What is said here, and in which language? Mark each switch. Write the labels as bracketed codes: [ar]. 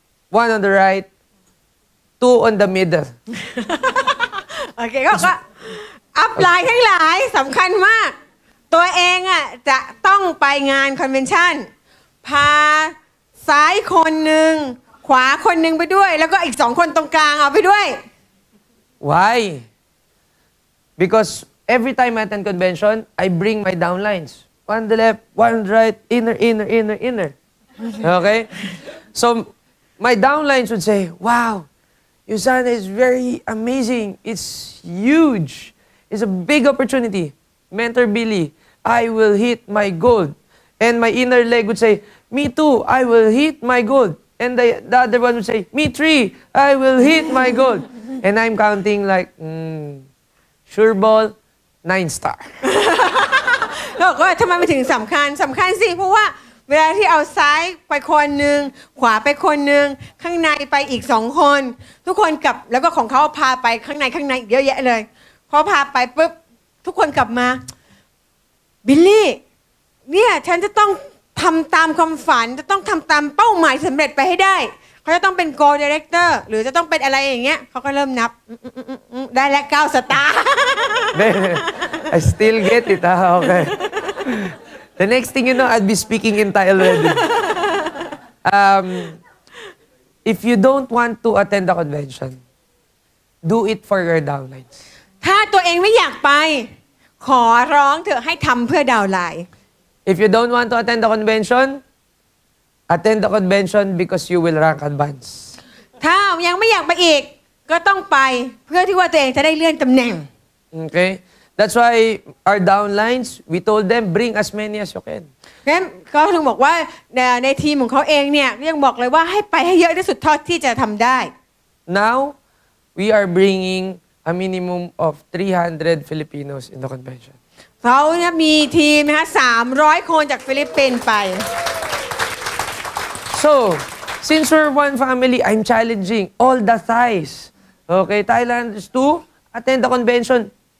[en] one on the right, two on the middle. [th] โอเคก็อัพไลน์ทั้งหลายสำคัญมากตัวเองอ่ะจะต้องไปงานคอนเวนชั่นพาซ้ายคนหนึ่งขวาคนหนึ่งไปด้วยแล้วก็อีกสองคนตรงกลางเอาไปด้วย [en] Why? Because every time I attend convention, I bring my downlines. One on the left, one on the right, inner. Okay? So my downlines would say, wow, Yusana is very amazing. It's huge. It's a big opportunity. Mentor Billy, I will hit my goal. And my inner leg would say, me too, I will hit my goal. And the other one would say, me three, I will hit my goal. And I'm counting like, sure ball, 9-star. [th] ก็ทำไมมันถึงสำคัญสำคัญสิเพราะว่าเวลาที่เอาซ้ายไปคนหนึ่งขวาไปคนหนึ่งข้างในไปอีกสองคนทุกคนกลับแล้วก็ของเขาพาไปข้างในข้างในเยอะแยะเลยพอพาไปปุ๊บทุกคนกลับมาบิลลี่เนี่ยฉันจะต้องทำตามความฝันจะต้องทำตามเป้าหมายสำเร็จไปให้ได้เขาจะต้องเป็นโกลด์ไดเรคเตอร์หรือจะต้องเป็นอะไรอย่างเงี้ยเขาก็เริ่มนับได้แล้ว9สตาร์ [en] I still get it okayThe next thing you know, I'd be speaking in Thai already. If you don't want to attend the convention, do it for your downlines. [th] ถ้าตัวเองไม่อยากไปขอร้องเถอะให้ทำเพื่อดาวไลน์ [en] If you don't want to attend the convention, attend the convention because you will rank advance. [th] ถ้ายังไม่อยากไปอีกก็ต้องไปเพื่อที่ว่าตัวเองจะได้เลื่อนตำแหน่ง [en] Okay. That's why our downlines, we told them, bring as many as you can. [th] งั้นเขาถึงบอกว่าในทีมของเขาเองเนี่ยยังบอกเลยว่าให้ไปให้เยอะที่สุดเท่าที่จะทำได้ [en] Now, we are bringing a minimum of 300 Filipinos in the convention. [th] เขาเนี่ยมีทีมนะคะ300คนจากฟิลิปปินส์ไป [en] So, since we're one family, I'm challenging all the Thais. Okay, Thailanders too, attend the convention.